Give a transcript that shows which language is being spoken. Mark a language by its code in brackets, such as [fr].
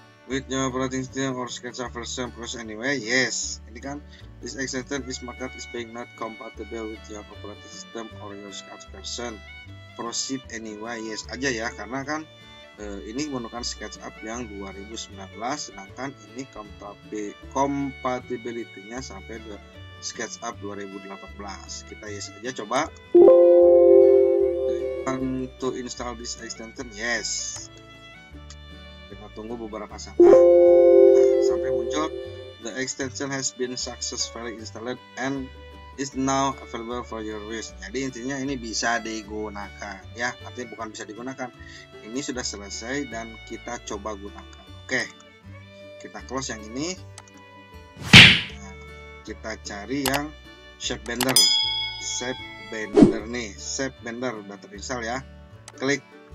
[en] With your operating system or SketchUp version process anyway. Yes. [id] Ini kan [en] this extension is marked as being not compatible with your operating system or your SketchUp version. Proceed anyway. [id] Yes aja ya, karena kan ini menggunakan SketchUp yang 2019, sedangkan ini compatibility-nya sampai ke SketchUp 2018. Kita yes aja, coba. [en] To install this extension, yes. [id] Kita tunggu beberapa saat. Nah, sampai muncul [en] the extension has been successfully installed and is now available for your use. [id] Jadi intinya ini bisa digunakan ya, artinya bukan bisa digunakan, ini sudah selesai dan kita coba gunakan. Oke, kita close yang ini. Nah, kita cari yang ShapeBender. ShapeBender nih, ShapeBender udah terinstall ya, klik.